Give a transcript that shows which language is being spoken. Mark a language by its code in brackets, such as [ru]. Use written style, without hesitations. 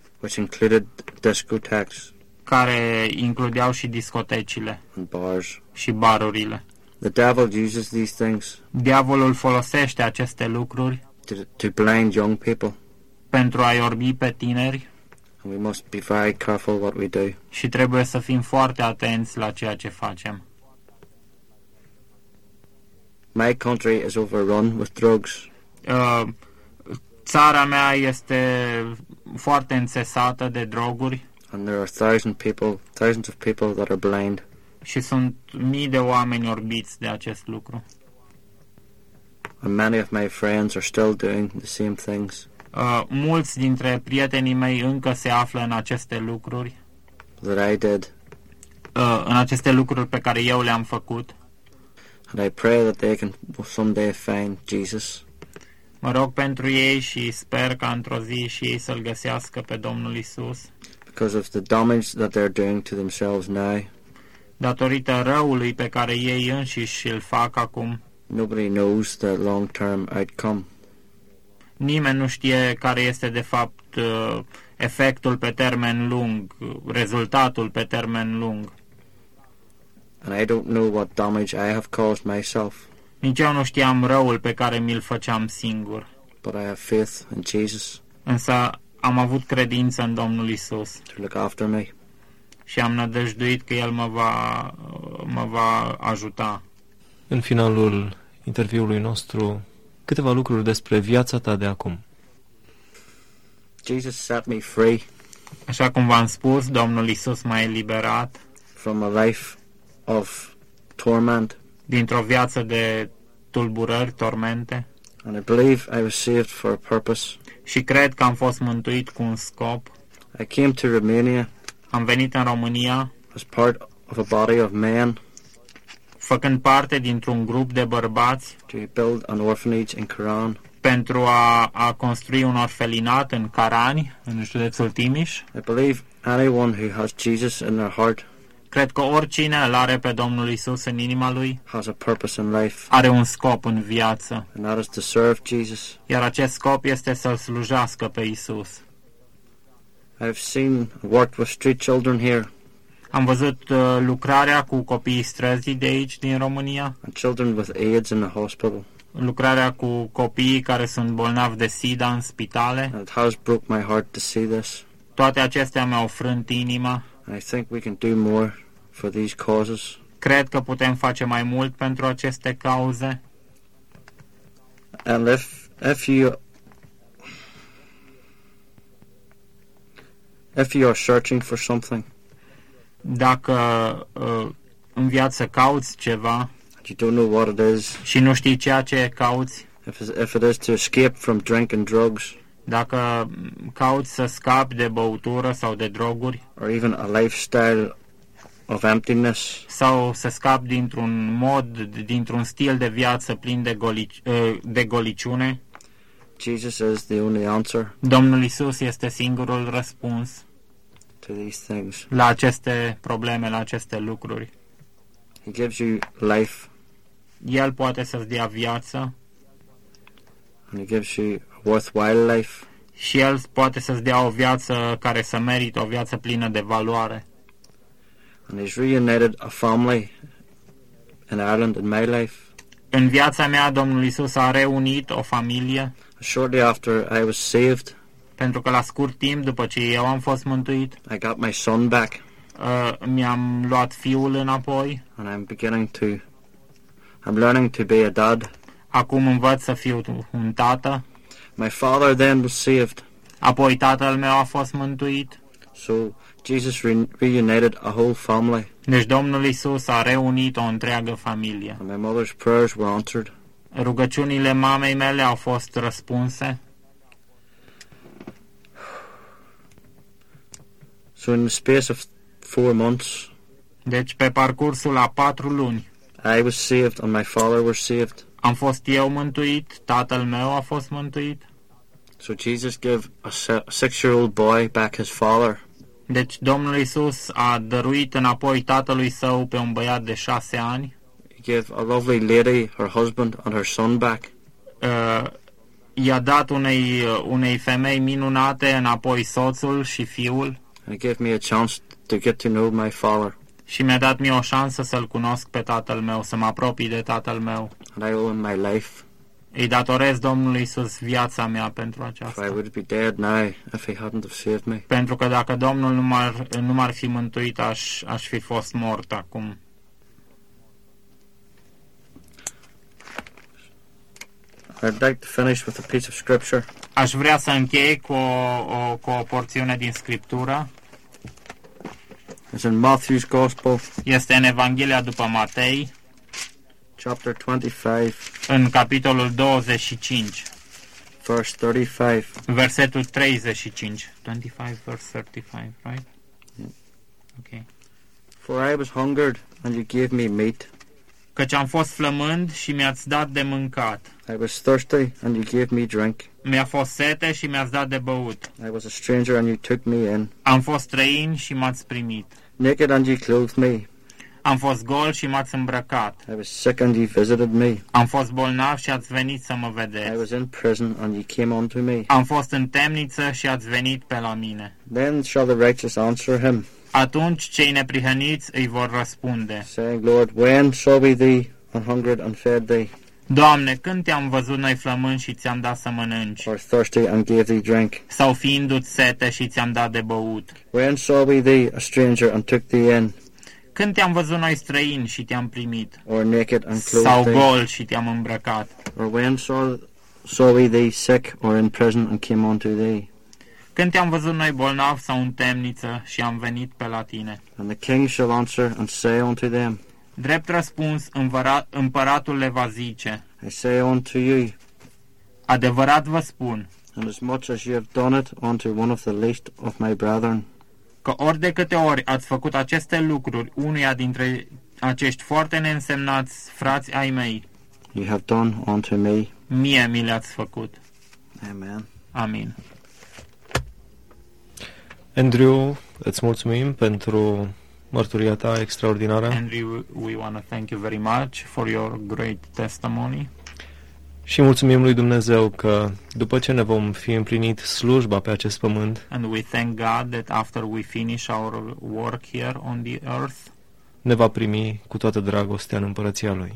[en] which included discotheques [ro] care includeau și discotecile [en] and bars [ro] și barurile. [en] The devil uses these things. [ro] Diavolul folosește aceste lucruri [en] to blind young people [ro] pentru a-i orbi pe tineri. [en] We must be very careful what we do. [ro] Și trebuie să fim foarte atenți la ceea ce facem. [en] My country is overrun with drugs. [ro] Țara mea este foarte înțesată de droguri. [en] And there are thousands of people that are blind. [ro] Și sunt mii de oameni orbiți de acest lucru. [en] And many of my friends are still doing the same things. [ro] Mulți dintre prietenii mei încă se află în aceste lucruri. [en] That I did. [ro] În aceste lucruri pe care eu le-am făcut. [en] And I pray that they can someday find Jesus. [ro] Mă rog pentru ei și sper că într-o zi și ei să-L găsească pe Domnul Iisus. [en] Because of the damage that they're doing to themselves now. [ro] Datorită răului pe care ei înșiși îl fac acum. [en] Nobody knows the long-term outcome. [ro] Nimeni nu știe care este de fapt efectul pe termen lung, rezultatul pe termen lung. [en] And I don't know what damage I have caused myself. [ro] Nici eu nu știam răul pe care mi-l făceam singur. [en] But I have faith in Jesus. [ro] Însă am avut credință în Domnul Iisus. [en] To look after me. [ro] Și am nădăjduit că El mă va ajuta. În finalul interviului nostru, câteva lucruri despre viața ta de acum. [en] Jesus set me free. [ro] Așa cum v-am spus, Domnul Iisus m-a eliberat [en] from a life of torment. [ro] Dintr-o viață de tulburări, tormente. [en] And I believe I was saved for a purpose. [ro] Și cred că am fost mântuit cu un scop. [en] I came to Romania. [ro] Am venit în România [en] as part of a body of men. [ro] Făcând parte dintr-un grup de bărbați [en] to build an orphanage in Caran. [ro] Pentru a construi un orfelinat în Carani, în județul Timiș. [en] I believe anyone who has Jesus in their heart. [ro] Cred că oricine îl are pe Domnul Iisus în inima lui [en] has a purpose in life. [ro] Are un scop în viață. [en] And that is to serve Jesus. [ro] Iar acest scop este să-L slujească pe Iisus. [en] I've seen worked with street children here. [ro] Am văzut lucrarea cu copiii străzii de aici, din România. [en] And children with AIDS in the hospital. [ro] Lucrarea cu copiii care sunt bolnavi de SIDA în spitale. [en] It has broke my heart to see this. [ro] Toate acestea mi-au frânt inima. [en] And I think we can do more for these causes. [ro] Cred că putem face mai mult pentru aceste cauze. [en] And if you are searching for something, [ro] dacă în viață cauți ceva [en] you don't know what it is, [ro] și nu știi ceea ce cauți, [en] if it is to escape from drink and drugs, [ro] dacă cauți să scapi de băutură sau de droguri, [en] or even a lifestyle of emptiness, [ro] sau să scapi dintr-un mod, dintr-un stil de viață plin de, de goliciune, [en] Jesus is the only answer. [ro] Domnul Iisus este singurul răspuns [en] to these things. [ro] La aceste probleme, la aceste lucruri. [en] He gives you life. [ro] El poate să-ți dea viață. [en] And he gives you a worthwhile life. [ro] Și el poate să-ți dea o viață care să merită, o viață plină de valoare. [en] And he's reunited a family in Ireland in my life. [ro] În viața mea, Domnul Iisus a reunit o familie. [en] Shortly after I was saved, [ro] pentru că la scurt timp după ce eu am fost mântuit, [en] I got my son back. [ro] Mi-am luat fiul înapoi. [en] And I'm learning to be a dad. [ro] Acum învăț să fiu un tată. [en] My father then was saved. [ro] Apoi tatăl meu a fost mântuit. [en] So Jesus reunited a whole family. [ro] Deci Domnul Iisus a reunit o întreagă familie. [en] And my mother's prayers were answered. [ro] Rugăciunile mamei mele au fost răspunse. [en] So in the space of 4 months, [ro] deci pe parcursul a 4 luni, [en] I was saved and my father was saved. [ro] Am fost eu mântuit, tatăl meu a fost mântuit. [en] So Jesus gave a 6-year-old boy back his father. [ro] Deci Domnul Iisus a dăruit înapoi tatălui său pe un băiat de 6 ani. [en] Gave a lovely lady her husband and her son back. [ro] I-a dat unei femei minunate înapoi soțul și fiul. [en] And gave me a chance to get to know my father. [ro] Și mi-a dat mie o șansă să-l cunosc pe tatăl meu, să mă apropii de tatăl meu. [en] And I owe him my life. [ro] Îi datorez Domnului Iisus viața mea pentru aceasta. [en] For I would be dead now if he hadn't have saved me. [ro] Pentru că dacă Domnul nu m-ar fi mântuit, aș fi fost mort acum. [en] I'd like to finish with a piece of scripture. [ro] Aș vrea să închei cu o porțiune din scriptură. [en] It's in Matthew's Gospel. [ro] Este în Evanghelia după Matei. [en] Chapter 25. [ro] În capitolul 25. [en] Verse 35. [ro] Versetul 35. [en] 25 verse 35, right? Yeah. Okay. For I was hungered and you gave me meat. [ro] Căci am fost flămând și mi-ați dat de mâncat. [en] I was thirsty and you gave me drink. [ro] Mi-a fost sete și mi-ați dat de băut. [en] I was a stranger and you took me in. [ro] Am fost străin și m-ați primit. [en] Naked and you clothed me. [ro] Am fost gol și m-ați îmbrăcat. [en] I was sick and you visited me. [ro] Am fost bolnav și ați venit să mă vedeți. [en] I was in prison and you came unto me. [ro] Am fost în temniță și ați venit pe la mine. [en] Then shall the righteous answer him. [ro] Atunci cei neprihăniți îi vor răspunde, [en] saying, Lord, when saw we thee and hungered and fed thee? [ro] Doamne, când te-am văzut noi flămând și ți-am dat să mănânci? [en] Or thirsty and gave thee drink? [ro] Sau fiindu-ți sete și ți-am dat de băut? [en] When saw we thee a stranger and took thee in? [ro] Când te-am văzut noi străin și te-am primit? [en] Or naked and clothed? [ro] Sau gol și te-am îmbrăcat? [en] Or when saw we thee sick or in prison and came unto thee? [ro] Când te-am văzut noi bolnav sau în temniță și am venit pe la tine? [en] And the king shall answer and say unto them. [ro] Drept răspuns, împăratul le va zice. [en] I say unto you. [ro] Adevărat vă spun. [en] Inasmuch as you have done it unto one of the least of my brethren. [ro] Că ori de câte ori ați făcut aceste lucruri unuia dintre acești foarte neînsemnați frați ai mei. [en] You have done unto me. [ro] Mie mi le-ați făcut. [en] Amen. [ro] Amin. Andrew, îți mulțumim pentru mărturia ta extraordinară. [en] Andrew, we want to thank you very much for your great testimony. [ro] Și mulțumim lui Dumnezeu că după ce ne vom fi împlinit slujba pe acest pământ. [en] And we thank God that after we finish our work here on the earth, [ro] ne va primi cu toată dragostea în împărăția lui.